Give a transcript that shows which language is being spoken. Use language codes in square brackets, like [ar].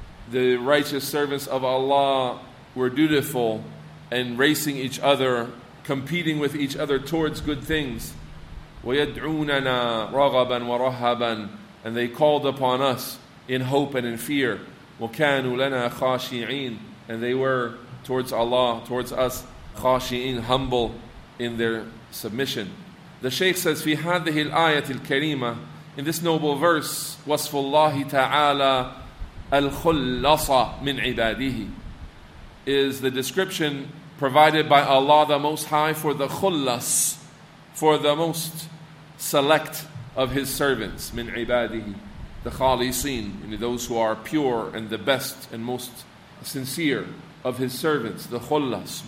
[en] The righteous servants of Allah were dutiful and racing each other, competing with each other towards good things. [ar] وَيَدْعُونَنَا رَغَبًا وَرَهَبًا. [en] And they called upon us in hope and in fear. [ar] وَكَانُوا لَنَا خَاشِعِينَ. [en] And they were towards Allah, towards us, خَاشِعِينَ, humble in their submission. The shaykh says, [ar] فِي هَذِهِ الْآيَةِ الْكَرِيمَةِ. [en] In this noble verse, [ar] وَصْفُ اللَّهِ تَعَالَى الْخُلَّصَ مِنْ عِبَادِهِ, [en] is the description provided by Allah the Most High for the khullas, for the most select of His servants, [ar] مِنْ عِبَادِهِ, [en] the khaliseen, those who are pure and the best and most sincere of His servants, the khullas.